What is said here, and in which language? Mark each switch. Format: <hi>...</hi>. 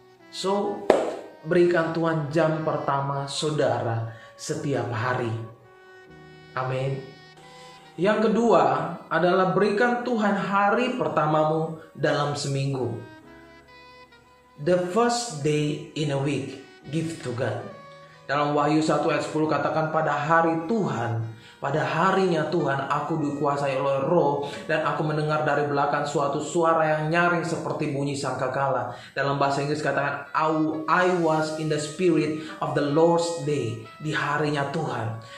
<id>So, berikan Tuhan jam pertama saudara setiap hari. Amin. Yang kedua adalah berikan Tuhan hari pertamamu dalam seminggu.</id> <en>The first day in a week, give to God.</en> <id>Dalam Wahyu 1 ayat 10 katakan, pada hari Tuhan, pada harinya Tuhan, aku dikuasai oleh roh, dan aku mendengar dari belakang suatu suara yang nyaring seperti bunyi sangkakala.</id> <en>Dalam bahasa Inggris katakan, I was in the spirit of the Lord's day, di harinya Tuhan.</en>